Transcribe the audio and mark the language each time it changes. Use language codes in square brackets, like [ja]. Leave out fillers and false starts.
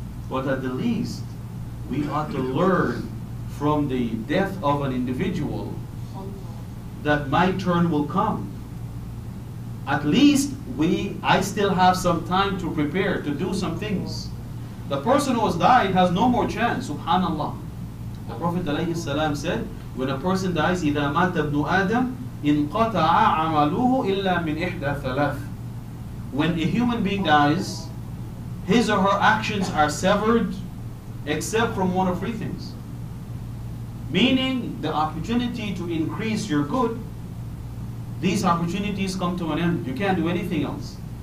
[en] But at the least, we ought to learn from the death of an individual that my turn will come. At least I still have some time to prepare, to do some things. The person who has died has no more chance, subhanAllah. The Prophet ﷺ said, when a person dies, [ar] إِذَا مَاتَ ابْنُ آدَمْ إِنْقَطَعَ عَمَلُهُ إِلَّا مِنْ إِحْدَى ثَلَافِ. [en] When a human being dies, his or her actions are severed except from one of three things. Meaning, the opportunity to increase your good, these opportunities come to an end. You can't do anything else.